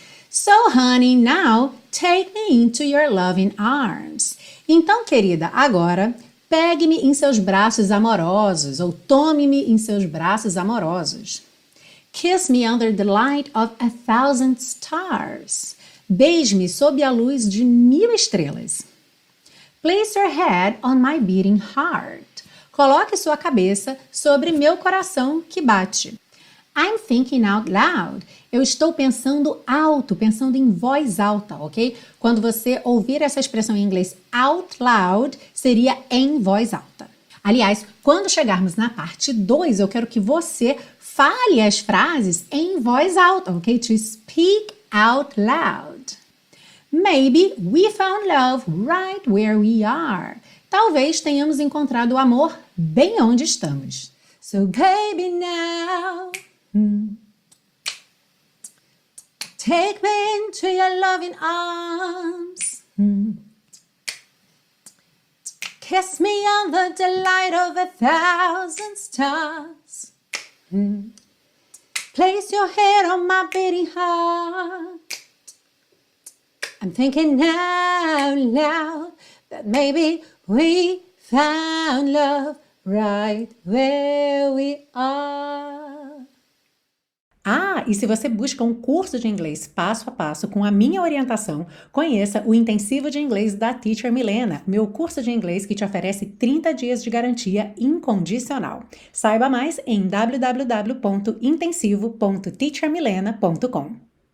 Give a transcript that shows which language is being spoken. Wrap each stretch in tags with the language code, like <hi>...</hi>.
<en>So, honey, now take me into your loving arms.</en> <pt>Então, querida, agora pegue-me em seus braços amorosos, ou tome-me em seus braços amorosos.</pt> <en>Kiss me under the light of 1,000 stars.</en> <pt>Beije-me sob a luz de 1,000 estrelas.</pt> <en>Place your head on my beating heart.</en> <pt>Coloque sua cabeça sobre meu coração que bate.</pt> <en>I'm thinking out loud.</en> <pt>Eu estou pensando alto, pensando em voz alta, ok? Quando você ouvir essa expressão em inglês, out loud, seria em voz alta. Aliás, quando chegarmos na parte 2, eu quero que você fale as frases em voz alta, ok?</pt> <en>To speak out loud. Maybe we found love right where we are.</en> <pt>Talvez tenhamos encontrado o amor bem onde estamos.</pt> <en>So baby now, take me into your loving arms. Kiss me under the light of 1,000 stars. Place your head on my beating heart. I'm thinking out loud that maybe we found love right where we are.</en> <pt>Ah, e se você busca um curso de inglês passo a passo com a minha orientação, conheça o Intensivo de Inglês da Teacher Milena, meu curso de inglês que te oferece 30 dias de garantia incondicional. Saiba mais em www.intensivo.teachermilena.com.</pt>